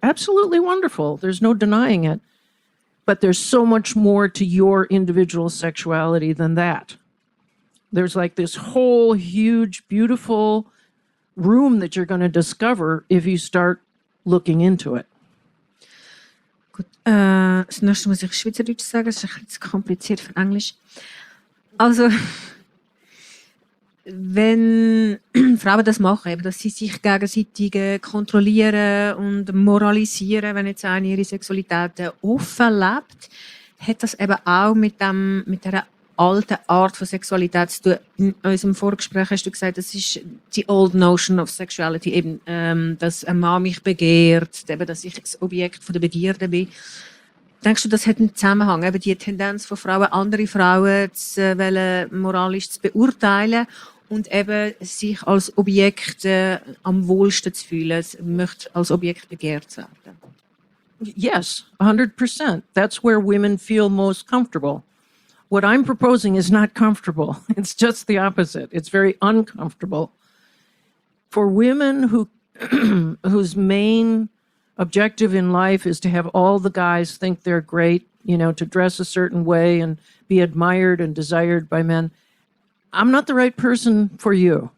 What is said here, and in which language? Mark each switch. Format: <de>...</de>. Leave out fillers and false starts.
<en>Absolutely wonderful. There's no denying it. But there's so much more to your individual sexuality than that. There's like this whole huge, beautiful room that you're going to discover if you start looking into it.</en> <de>Gut, zunächst muss ich Schweizerdeutsch sagen, es ist ein bisschen kompliziert für Englisch. Also, wenn Frauen das machen, dass sie sich gegenseitig kontrollieren und moralisieren, wenn jetzt eine ihre Sexualität offen lebt, hat das eben auch mit der alte Art von Sexualität zu tun. In unserem Vorgespräch hast du gesagt, das ist die</de> <en>old notion of sexuality,</en> <de>eben, dass ein Mann mich begehrt, eben, dass ich das Objekt von der Begierde bin. Denkst du, das hat einen Zusammenhang, eben die Tendenz von Frauen, andere Frauen moralisch zu beurteilen und eben sich als Objekt am wohlsten zu fühlen, möchte als Objekt begehrt werden?</de> <en>Yes, 100%. That's where women feel most comfortable. What I'm proposing is not comfortable. It's just the opposite. It's very uncomfortable. For women who whose main objective in life is to have all the guys think they're great, you know, to dress a certain way and be admired and desired by men, I'm not the right person for you.</en>